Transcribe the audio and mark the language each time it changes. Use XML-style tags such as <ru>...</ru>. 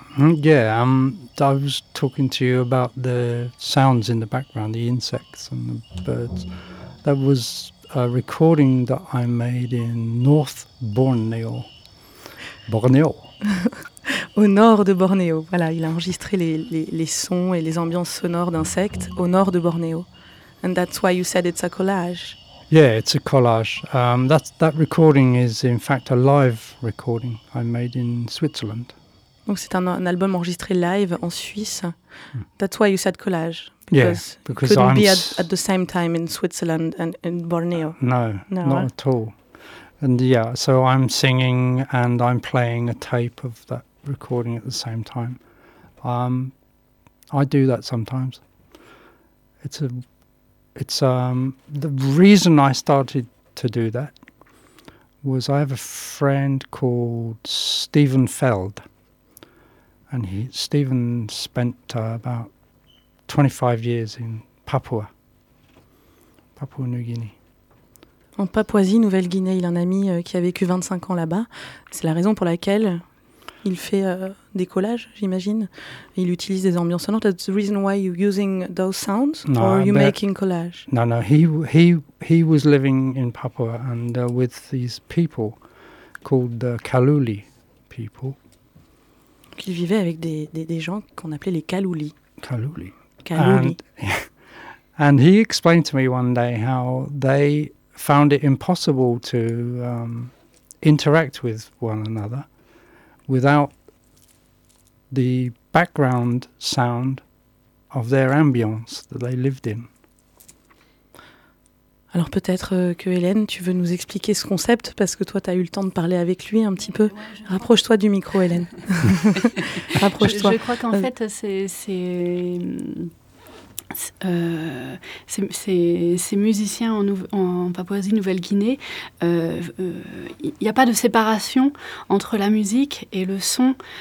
<en>Yeah, I was talking to you about the sounds in the background, the insects and the birds. That was a recording that I made in North Borneo.</en> <fr>Au nord de Borneo. Voilà, il a enregistré les sons et les ambiances sonores d'insectes au nord de Borneo.</fr> <en>And that's why you said it's a collage. Yeah, it's a collage. That recording is in fact a live recording I made in Switzerland.</en> <fr>Donc c'est un album enregistré live en Suisse.</fr> <en>That's why you said collage. Yes, because it couldn't be at the same time in Switzerland and in Borneo. No, not at all. And yeah, so I'm singing and I'm playing a tape of that recording at the same time. I do that sometimes. It's a It's the reason I started to do that was I have a friend called Stephen Feld, and Stephen spent about 25 years in Papua New Guinea.</en> <fr>En Papouasie-Nouvelle-Guinée, il a un ami qui a vécu 25 ans là-bas. C'est la raison pour laquelle il fait des collages, j'imagine. Il utilise des ambiances sonores.</fr> <en>That's the reason why you're using those sounds, no, or are you making collages? No, no. He was living in Papua and with these people called the Kaluli people.</en> <fr>Donc il vivait avec des gens qu'on appelait les Kaluli. Kaluli. Kaluli.</fr> <en>And he explained to me one day how they found it impossible to interact with one another without the background sound of their ambiance that they lived in.</en> <fr>Alors peut-être que Hélène, tu veux nous expliquer ce concept parce que toi tu as eu le temps de parler avec lui un petit peu. Ouais, rapproche-toi du micro, Hélène. Rapproche-toi. Je crois qu'en fait ces musiciens en Papouasie-Nouvelle-Guinée, il n'y a pas de séparation entre la musique et le son,</fr>